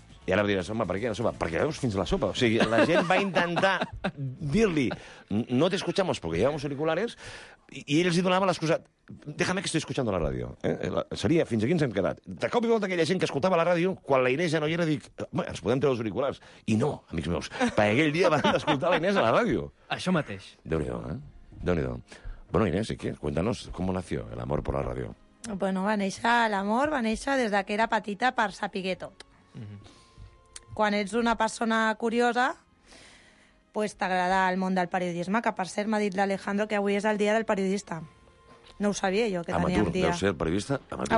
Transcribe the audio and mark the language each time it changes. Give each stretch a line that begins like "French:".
Catalan: I ara em diràs, home, per què la sopa? Perquè veus fins a la sopa. O sigui, la gent va intentar dir-li
Spanish: no te escuchamos porque llevamos auriculares
Catalan: i ells hi donaven l'excusa
Spanish: déjame que estoy escuchando la ràdio.
Catalan: Seria fins a quin ens hem quedat. De cop i volta aquella gent que escoltava la ràdio quan la Inés ja no hi era dic, ens podem treure els auriculars. I no, amics meus, perquè aquell dia van escoltar la Inés a la ràdio. Això mateix. Déu-n'hi-do, Déu-n'hi-do.
Spanish: Bueno, Inés, ¿y qué? Cuéntanos cómo nació el amor por la ràdio.
Catalan: Bueno, va néixer l'amor, va néixer des que era petita per saber tot. Mm-hmm. Quan ets una persona curiosa, pues t'agrada el món del periodisme, que per cert m'ha dit l'Alejandro que avui és el dia del periodista. No ho sabia jo, que tenia el dia. Deu ser el periodista? Amateur.